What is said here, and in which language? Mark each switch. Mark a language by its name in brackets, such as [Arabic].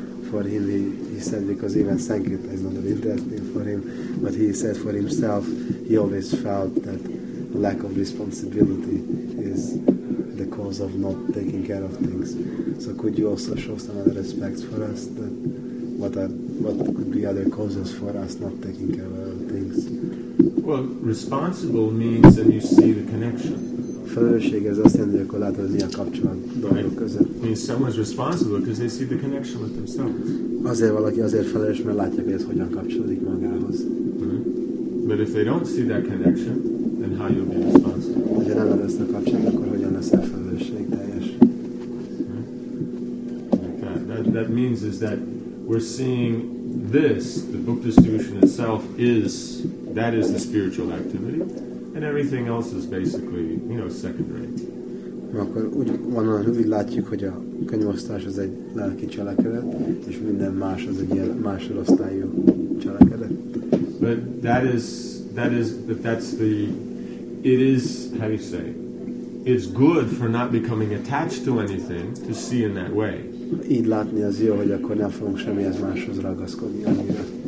[English] For him he said, because even Sankirtan is not that interesting for him, but he said for himself he always felt that lack of responsibility is the cause of not taking care of things. So could you also show some other respects for us, that what could be other causes for us not taking care of other things? Well, responsible means that you see the connection. [Hungarian] Felelősség az azt jelenti, akkor látod, hogy mi a kapcsolat dolgok között. [English] It means someone's responsible because they see the connection with themselves. [Hungarian] Azért valaki azért felelős, mert látja, hogy ez hogyan kapcsolódik magához. Mm-hmm. [English] But if they don't see that connection, then how you'll be responsible? [Hungarian] Ha nem lehet ezt a kapcsolat, akkor hogyan lesz a felelősség teljes? [English] That means is that we're seeing this, the book distribution itself, is the spiritual activity, and everything else is basically, you know, secondary. [Hungarian] Akkor úgy van, hogy látjuk, hogy a könyvosztás az egy lelki cselekedet, és minden más az egy ilyen másodosztályú cselekedet. [English] But it's good for not becoming attached to anything to see in that way. [Hungarian] Így látni az jó, hogy akkor nem fogunk semmihez máshoz ragaszkodni annyira.